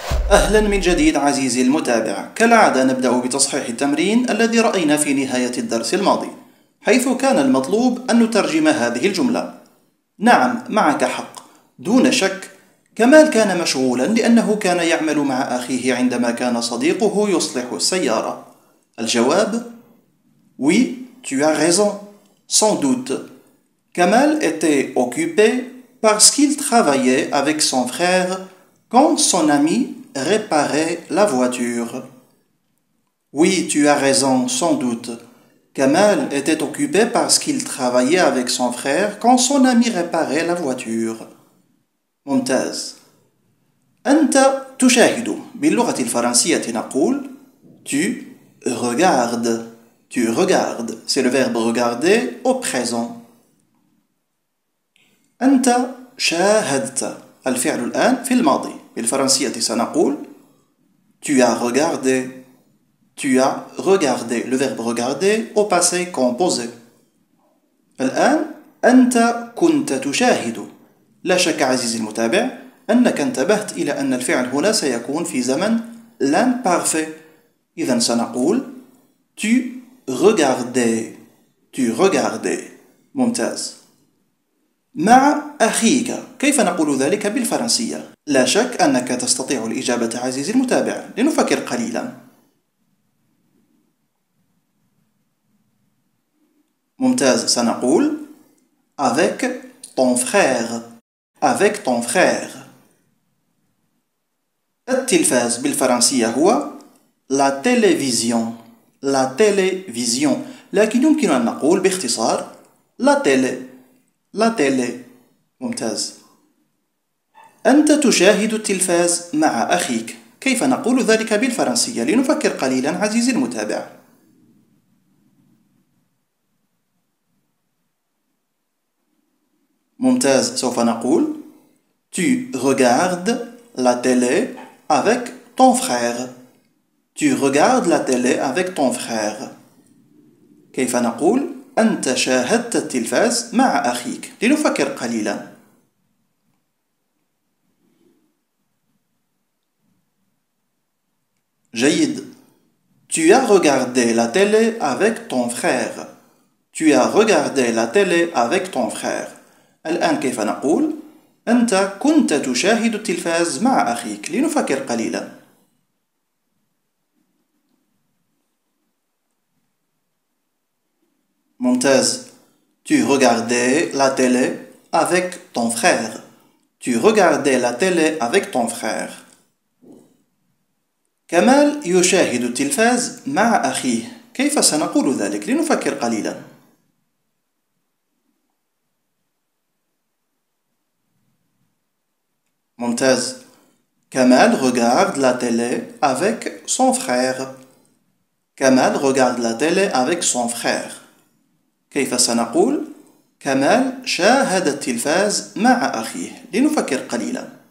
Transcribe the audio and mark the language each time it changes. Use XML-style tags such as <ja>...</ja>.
<ar>أهلا من جديد عزيزي المتابع، كالعادة نبدأ بتصحيح التمرين الذي رأينا في نهاية الدرس الماضي، حيث كان المطلوب أن نترجم هذه الجملة. نعم معك حق، دون شك كمال كان مشغولا لأنه كان يعمل مع أخيه عندما كان صديقه يصلح السيارة. الجواب</ar> <fr>Oui, tu as raison, sans doute. كمال était occupé parce qu'il travaillait avec son frère quand son ami réparait la voiture. Oui, tu as raison, sans doute. Kamal était occupé parce qu'il travaillait avec son frère quand son ami réparait la voiture.</fr> <ar>ممتاز. أنت تشاهد. باللغة الفرنسية نقول</ar> <fr>Tu regardes. Tu regardes. C'est le verbe regarder au présent.</fr> <ar>أنت شاهدت. الفعل الآن في الماضي. بالفرنسية سنقول</ar> <fr>Tu as regardé. Tu as regardé. Le verbe regarder au passé composé.</fr> <ar>الآن أنت كنت تشاهد. لا شك عزيزي المتابع أنك انتبهت إلى أن الفعل هنا سيكون في زمن l'imparfait. إذن سنقول</ar> <fr>Tu regardais. Tu regardais.</fr> <ar>ممتاز. مع أخيك. كيف نقول ذلك بالفرنسية؟ لا شك أنك تستطيع الإجابة عزيزي المتابع. لنفكر قليلا. ممتاز. سنقول</ar> <fr>Avec ton frère. Avec ton frère.</fr> <ar>التلفاز بالفرنسية هو</ar> <fr>La télévision. La télévision.</fr> <ar>لكن يمكن أن نقول باختصار</ar> <fr>La télé. La télé.</fr> <ar>ممتاز. أنت تشاهد التلفاز مع أخيك. كيف نقول ذلك بالفرنسية؟ لنفكر قليلا عزيزي المتابع. ممتاز. سوف نقول</ar> <fr>Tu regardes la télé avec ton frère. Tu regardes la télé avec ton frère.</fr> <ar>كيف نقول أنت شاهدت التلفاز مع أخيك؟ لنفكر قليلا. جيد.</ar> <fr>Tu as regardé la télé avec ton frère. Tu as regardé la télé avec ton frère.</fr> <ar>الآن كيف نقول؟ أنت كنت تشاهد التلفاز مع أخيك. لنفكر قليلا. ممتاز.</ar> <fr>Tu regardais la télé avec ton frère. Tu regardais la télé avec ton frère.</fr> <ar>كمال يشاهد التلفاز مع أخيه. كيف سنقول ذلك؟ لنفكر قليلا. ممتاز.</ar> <fr>كمال regarde la télé avec son frère. كمال regarde la télé avec son frère.</fr> <ar>كيف سنقول كمال شاهد التلفاز مع أخيه؟ لنفكر قليلا.</ar>